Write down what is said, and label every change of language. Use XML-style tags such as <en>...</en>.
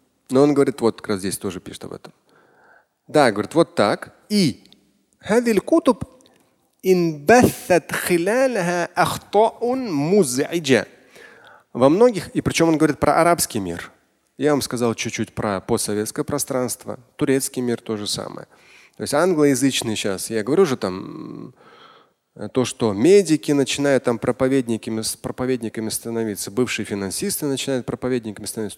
<ru>Но он говорит, вот как раз здесь тоже пишет об этом. Да, говорит, вот так.</ru> <ar>И هذه الكتب إن بثت خلالها أخطاء مزعجة.</ar> <ru>Во многих, и причем он говорит про арабский мир. Я вам сказал чуть-чуть про постсоветское пространство, турецкий мир то же самое. То есть англоязычный сейчас, я говорю уже там, то, что медики начинают там проповедниками становиться, бывшие финансисты начинают проповедниками становиться.</ru>